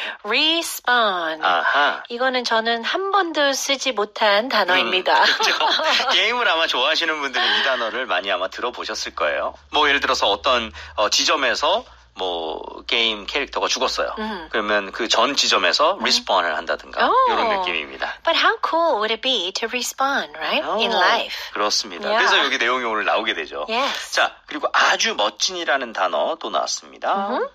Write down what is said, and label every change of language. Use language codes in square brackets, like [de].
[en] Respawn. [ko] 아하. 이거는 저는 한 번도 쓰지 못한 단어입니다. 그렇죠. 게임을 아마 좋아하시는 분들은 이 단어를 많이 아마 들어보셨을 거예요. 뭐 예를 들어서 어떤 지점에서 뭐 게임 캐릭터가 죽었어요. 그러면 그 전 지점에서 respawn을 한다든가 이런 느낌입니다. [en] But how cool would it be to respawn, right? In life. [ko] 그렇습니다. Yeah. 그래서 여기 내용이 오늘 나오게 되죠. [en] Yes. [ko] 자, 그리고 아주 멋진이라는 단어 또 나왔습니다.